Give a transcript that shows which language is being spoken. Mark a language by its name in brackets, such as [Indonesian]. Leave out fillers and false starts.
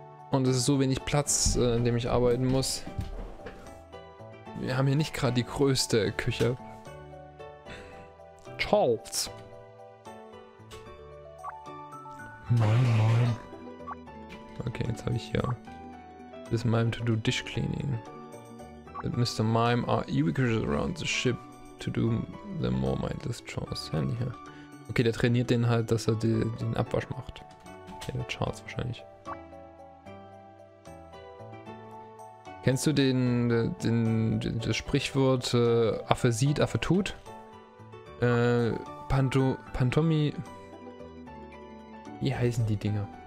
[German] Und es ist so wenig Platz, in dem ich arbeiten muss. Wir haben hier nicht gerade die größte Küche. Charles. Moin, moin. Okay, jetzt habe ich hier [English] this mime to do dish cleaning. That Mr. Mime are ubiquitous around the ship to do the more mindless chores. [German] Okay, der trainiert den halt, dass er den Abwasch macht. Okay, der Charles wahrscheinlich. Kennst du das Sprichwort Affe sieht, Affe tut? Pantomi. Wie heißen die Dinger?